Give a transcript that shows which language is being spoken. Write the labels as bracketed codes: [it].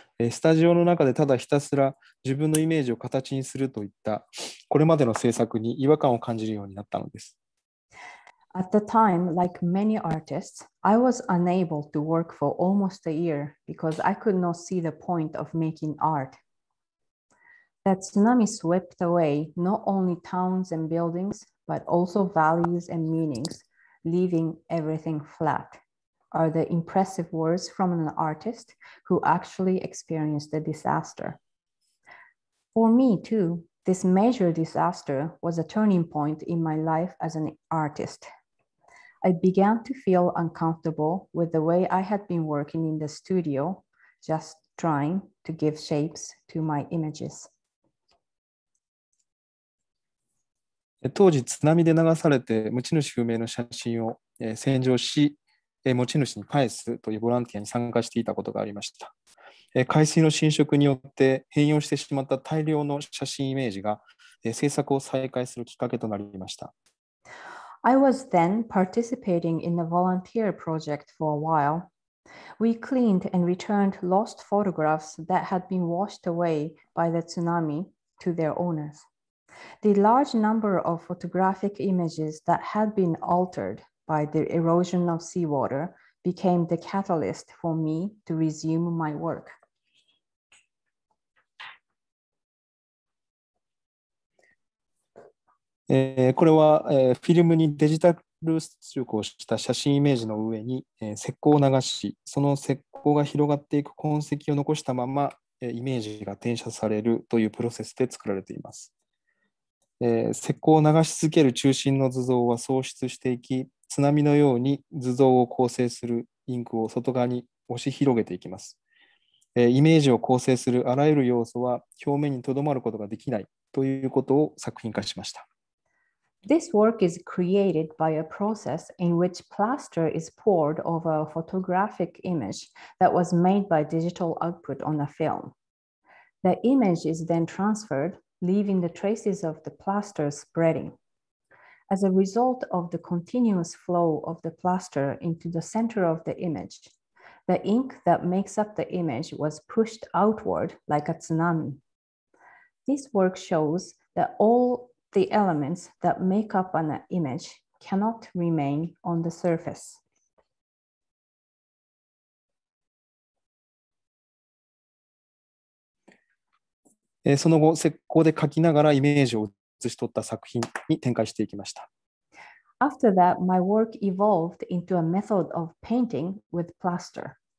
[ja] スタジオの中でただひたすら自分のイメージを形にするといったこれまでの制作に違和感を感じるようになったのです。 [en] At the time, like many artists, I was unable to work for almost a year because I could not see the point of making art. That tsunami swept away not only towns and buildings, but also values and meanings. Leaving everything flat are the impressive words from an artist who actually experienced the disaster. For me too, this major disaster was a turning point in my life as an artist. I began to feel uncomfortable with the way I had been working in the studio, just trying to give shapes to my images. [ja] 当時津波で流されて持ち主不明の写真を洗浄し持ち主に返すというボランティアに参加していたことがありました。海水の浸食によって変容してしまった大量の写真イメージが制作を再開するきっかけとなりました。 [en] I was then participating in a volunteer project for a while. We cleaned and returned lost photographs that had been washed away by the tsunami to their owners. The large number of photographic images that had been altered by the erosion of seawater became the catalyst for me to resume my work. [ja] 、これは、フィルムにデジタル出力をした写真イメージの上に、石膏を流し、その石膏が広がっていく痕跡を残したまま、イメージが転写されるというプロセスで作られています。石膏を流し続ける中心の図像は喪失していき、津波のように図像を構成するインクを外側に押し広げていきます。イメージを構成するあらゆる要素は表面にとどまることができないということを作品化しました。 [en] This work is created by a process in which plaster is poured over a photographic image that was made by digital output on a film. The image is then transferred. Leaving the traces of the plaster spreading. As a result of the continuous flow of the plaster into the center of the image, the ink that makes up the image was pushed outward like a tsunami. This work shows that all the elements that make up an image cannot remain on the surface. [ja] その後、石膏で描きながらイメージを写し取った作品に展開していきました。 [en] After that, my work evolved into a method of painting with plaster.